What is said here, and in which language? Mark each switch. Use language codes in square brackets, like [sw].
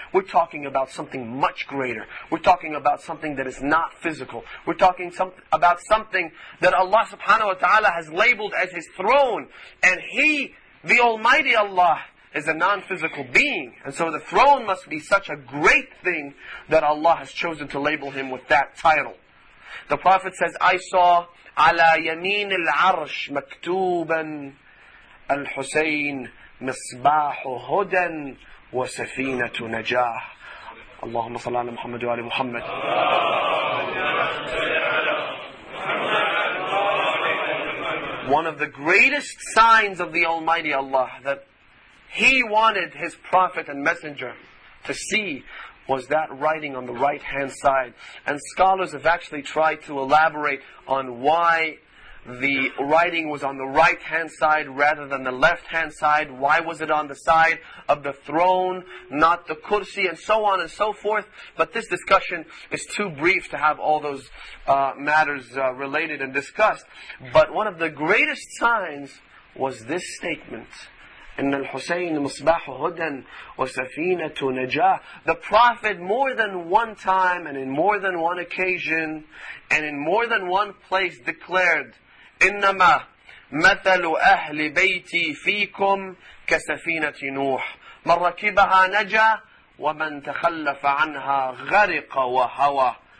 [en] We're talking about something much greater. We're talking about something that is not physical. We're talking about something that Allah subhanahu wa ta'ala has labeled as His throne. And He, the Almighty Allah, is a non-physical being. And so the throne must be such a great thing that Allah has chosen to label Him with that title. The Prophet says, I saw, [ar] عَلَى يَمِينِ الْعَرْشِ مَكْتُوبًا الحسين مصباح هدى وسفينة نجاح. اللهم صل على محمد وآل محمد. [en] One of the greatest signs of the Almighty Allah that He wanted His Prophet and Messenger to see was that writing on the right hand side. And scholars have actually tried to elaborate on why the writing was on the right hand side rather than the left hand side. Why was it on the side of the throne, not the kursi, and so on and so forth. But this discussion is too brief to have all those matters related and discussed. But one of the greatest signs was this statement. [ar] إن الحسين مصباح هدى وسفينة نجاة. [en] The Prophet more than one time and in more than one occasion and in more than one place declared, [ar] إنما مثل أهل بيتي فيكم كسفينة نوح من ركبها نجا ومن تخلف عنها غرق وهوى.